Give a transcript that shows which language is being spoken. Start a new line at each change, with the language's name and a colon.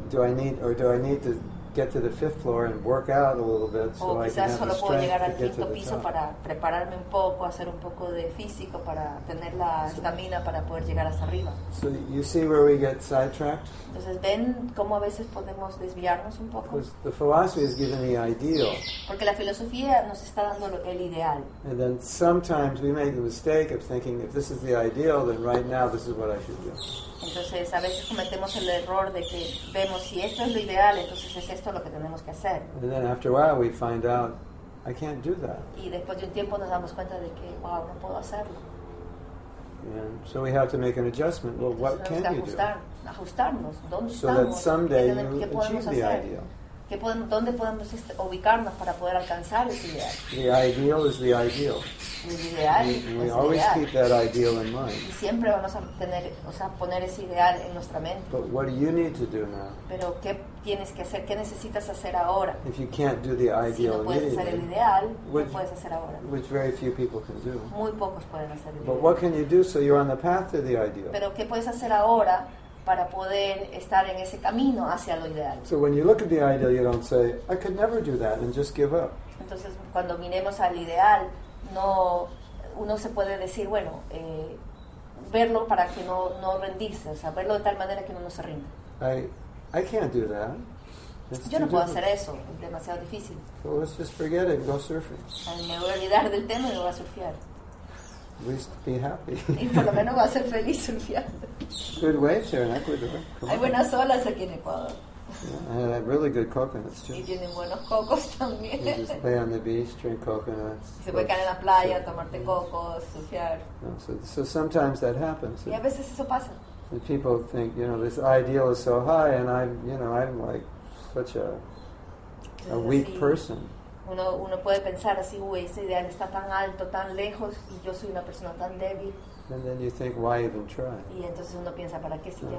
English: Do I need to get to the fifth floor and work out a little bit so I can have the strength to get to the
Spanish: piso
English: top.
Spanish: Para prepararme un poco, hacer un poco de físico para tener la estamina para poder llegar hasta arriba.
English: So you see where we get sidetracked?
Spanish: Entonces ven cómo a veces podemos desviarnos un poco.
English: Because the philosophy is giving the ideal.
Spanish: Porque la filosofía nos está dando el ideal.
English: And then sometimes we make the mistake of thinking if this is the ideal, then right now this is what I should do.
Spanish: Entonces a veces cometemos el error de que vemos si esto es lo ideal, entonces es esto lo que tenemos que hacer.
English: And then after a while we find out I can't do that.
Spanish: Y después de un tiempo nos damos cuenta de que wow, no puedo hacerlo.
English: And so we have to make an adjustment. Well,
Spanish: entonces,
English: what can
Spanish: ajustar,
English: you do?
Spanish: Ajustarnos. ¿Dónde
English: so that someday you achieve the ideal.
Spanish: ¿Qué podemos, dónde podemos ubicarnos para poder alcanzar ese ideal?
English: The ideal is the ideal.
Spanish: Ideal,
English: we always keep that ideal in mind.
Spanish: Siempre vamos a tener, o sea, poner ese ideal en nuestra mente.
English: But what do you need to do now?
Spanish: Pero ¿qué tienes que hacer? ¿Qué necesitas hacer ahora?
English: If you can't do the ideal,
Spanish: si no puedes hacer el ideal, ¿qué puedes hacer ahora?
English: Which very few people can do.
Spanish: Muy pocos pueden hacer el ideal.
English: But what can you do so you're on the path to the ideal?
Spanish: Pero ¿qué puedes hacer ahora para poder estar en ese camino hacia lo ideal?
English: So when you look at the ideal, you don't say, I could never do that, and just give up.
Spanish: Entonces cuando miremos al ideal, no, uno se puede decir, bueno, verlo para que no rendirse, o sea, verlo de tal manera que uno no se rinda.
English: I can't do that. It's
Spanish: yo no puedo hacer eso, es demasiado difícil.
English: Well, let's just forget it and go surfing.
Spanish: Me voy a olvidar del tema y me voy a surfear.
English: At least be happy.
Spanish: Y por lo menos voy a ser feliz surfeando.
English: Good waves here in Ecuador. Come
Spanish: hay buenas olas aquí en Ecuador.
English: Yeah, and I have really good coconuts too.
Spanish: Y tienen buenos cocos también.
English: You just play on the beach, drink coconuts.
Spanish: Se puede caer en la playa, tomarte cocos, surfear.
English: No, so sometimes that happens.
Spanish: Y a veces eso pasa.
English: And people think, you know, this ideal is so high, and I'm, you know, I'm like such a weak
Spanish: así,
English: person.
Spanish: Uno puede pensar así, uy, ese ideal está tan alto, tan lejos, y yo soy una persona tan débil.
English: And then you think, why even try?
Spanish: Y entonces uno piensa, ¿para qué si no,